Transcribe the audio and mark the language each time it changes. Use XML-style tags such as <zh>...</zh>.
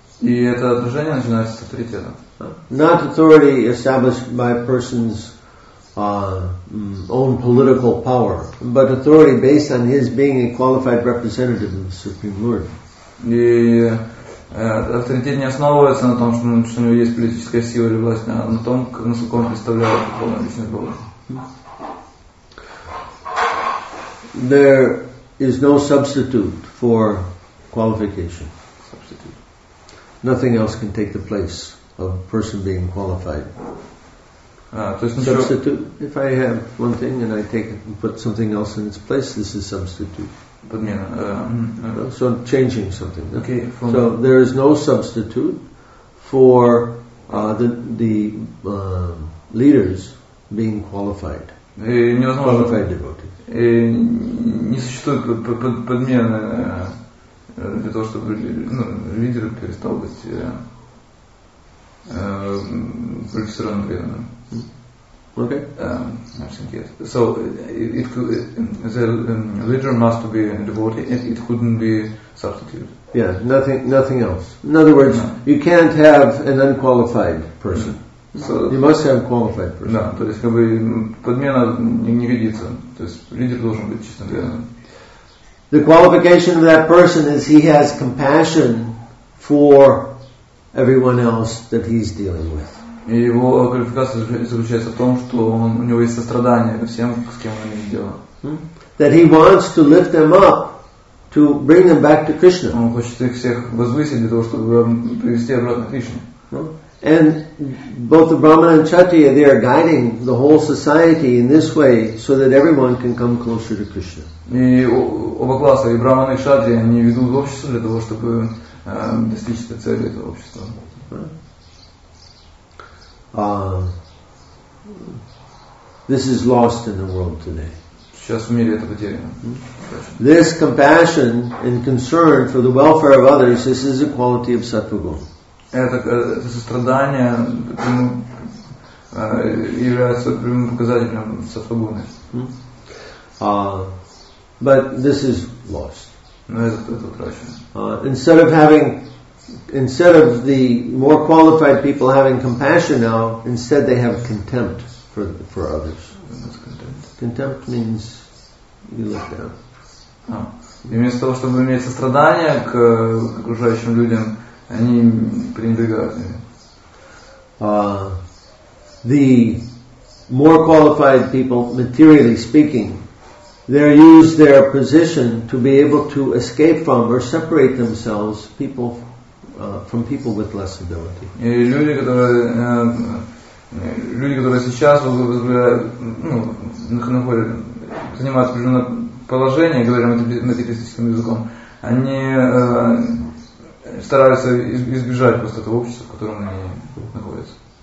<ru>И это отражение начинается с авторитета.</ru> <en>Not authority established by a person's own political power, but authority based on his being a qualified representative of the Supreme Lord.</en> <ru>И авторитет не основывается на том, что у него есть политическая сила или власть, а на том, насколько он представляет полную личность Бога.</ru> <en>There is no substitute for qualification. Substitute. Nothing else can take the place of a person being qualified. Substitute. If I have one thing and I take it and put something else in its place, this is substitute. So changing something. Okay. So there is no substitute for the leaders being qualified. Qualified devotees.</en> <ru>И не существует подмены для того, чтобы лидер перестал быть квалифицированным преданным.</ru> <en>Okay. So it could, the leader must be a devotee, and it couldn't be substituted. Yeah, nothing else. In other words, you can't have an unqualified person. So, you must have qualified person.</en> <ru>Да, то есть как бы подмена не годится. То есть лидер должен быть чистым преданным.</ru> <en>The qualification of that person is he has compassion for everyone else that he's dealing with.</en> <ru>И его квалификация заключается в том, что у него есть сострадание ко всем, с кем он имеет дело.</ru> <en>That he wants to lift them up to bring them back to Krishna.</en> <ru>Он хочет их всех возвысить для того, чтобы привести обратно к Кришне.</ru> <en>And both the Brahmana and Kshatriya, they are guiding the whole society in this way so that everyone can come closer to Krishna.</en> <ru>И оба класса, и Брахманы, и Кшатрия, они ведут общество для того, чтобы достичь этой цели этого общества.</ru> <en>This is lost in the world today.</en> <ru>Сейчас в мире это потеряно.</ru> <en>This compassion and concern for the welfare of others, this is a quality of Sattva-gun.</en> <ru>Это сострадание является прямым показателем Сатвагуны.</ru> <en>But this is lost.</en> <ru>Но это утрачено.</ru> <en>Instead of the more qualified people having compassion now, instead they have contempt for others. Contempt means you look down.</en> <ru>Вместо того, чтобы иметь сострадание к окружающим людям, они пренебрегают ими.</ru> <en>The more qualified people, materially speaking, they use their position to be able to escape from or separate themselves from people with less ability.</en> <ru>И люди, которые сейчас занимают определенное положение, говоря материалистическим языком, они стараются избежать просто этого общества, в котором они находятся.</ru>